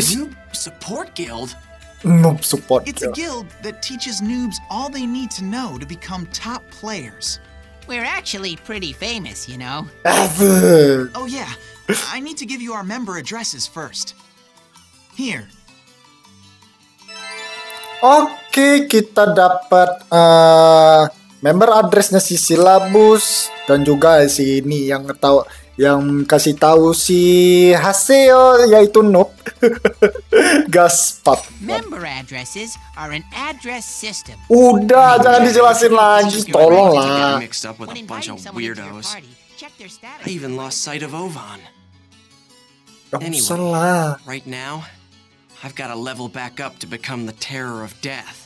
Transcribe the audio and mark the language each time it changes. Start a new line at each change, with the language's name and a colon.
English: Noob Support Guild. Noob Support Guild. It's a guild that teaches noobs all they need to know to become top players. We're actually pretty famous, you know. Oh yeah, I need to give you our member addresses first. Here.
Indonesian: Okay, kita dapat member address-nya si Syllabus dan juga si ini yang ngetau, yang kasih tahu si Haseo, yaitu Noob. Gaspat.
English: Member addresses are an address system.
Indonesian: Udah, jangan dijelasin lagi, tolonglah.
English: Mixed up with a bunch of weirdos. I even lost sight of Ovan. Anyway, right now, I've got a level back up to become the terror of death.